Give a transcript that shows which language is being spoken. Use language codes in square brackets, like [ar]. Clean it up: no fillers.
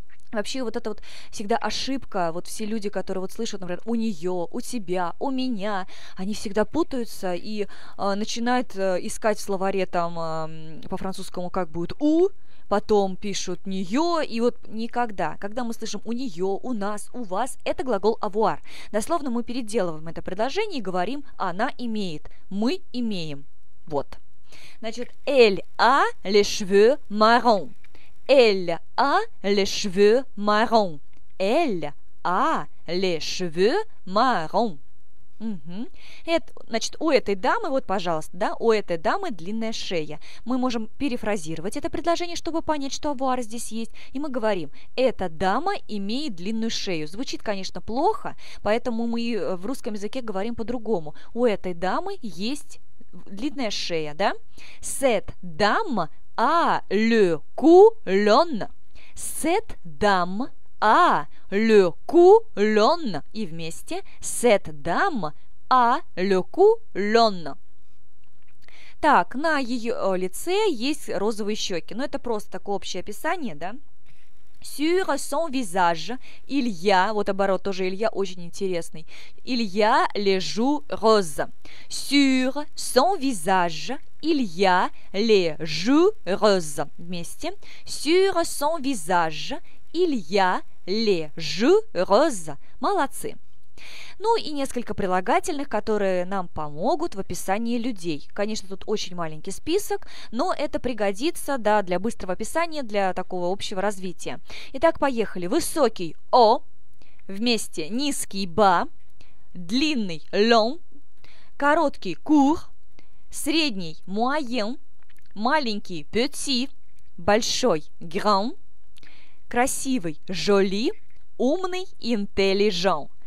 [ru] Вообще, вот это вот всегда ошибка, вот все люди, которые вот слышат, например, у нее, у тебя, у меня, они всегда путаются и начинают искать в словаре там по-французскому, как будет «у», потом пишут «нее», и вот никогда, когда мы слышим «у нее», «у нас», «у вас», это глагол «avoir». Дословно мы переделываем это предложение и говорим «она имеет», «мы имеем», вот. Значит, [fr] «elle a les cheveux marrons». Elle a les cheveux marrons. Elle a les cheveux marrons. [ru] Угу. Это, значит, у этой дамы, вот, пожалуйста, да, у этой дамы длинная шея. Мы можем перефразировать это предложение, чтобы понять, что avoir здесь есть. И мы говорим, эта дама имеет длинную шею. Звучит, конечно, плохо, поэтому мы в русском языке говорим по-другому. У этой дамы есть длинная шея, да? [fr] Cette dame a le cou long. Cette dame a le cou long. [ru] И вместе. [fr] Cette dame a le cou long. [ru] Так, на ее лице есть розовые щеки. Ну, это просто такое общее описание, да? [fr] Sur son visage, il y a, [ru] вот оборот тоже [fr] il y a [ru] очень интересный, [fr] il y a les joues roses. Sur son visage, il y a les joues roses. [ru] Вместе. [fr] Sur son visage, il y a les joues roses. [ru] Молодцы. Ну и несколько прилагательных, которые нам помогут в описании людей. Конечно, тут очень маленький список, но это пригодится, да, для быстрого описания, для такого общего развития. Итак, поехали. Высокий – о, вместе низкий – ба, длинный – лон, короткий – кур, средний – муаен, маленький – пети, большой – гран, красивый – жоли, умный – интеллижон.